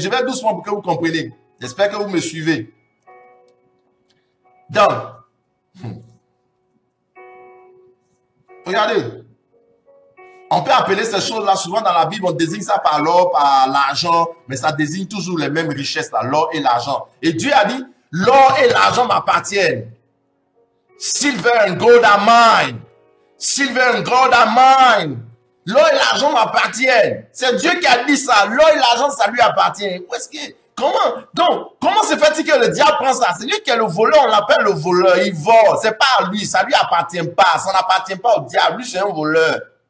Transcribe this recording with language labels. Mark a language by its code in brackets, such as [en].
[fr] Je vais doucement pour que vous compreniez. J'espère que vous me suivez. Donc, regardez, on peut appeler ces choses-là, souvent dans la Bible, on désigne ça par l'or, par l'argent, mais ça désigne toujours les mêmes richesses, là, l'or et l'argent. Et Dieu a dit, l'or et l'argent m'appartiennent. [en] Silver and gold are mine. Silver and gold are mine. [fr] L'or et l'argent m'appartiennent. C'est Dieu qui a dit ça, l'or et l'argent, ça lui appartient. Où est-ce que... Comment se fait-il que le diable prend ça? C'est lui qui est le voleur, on l'appelle le voleur, il vole. C'est pas à lui, ça lui appartient pas, ça n'appartient pas au diable, lui c'est un voleur.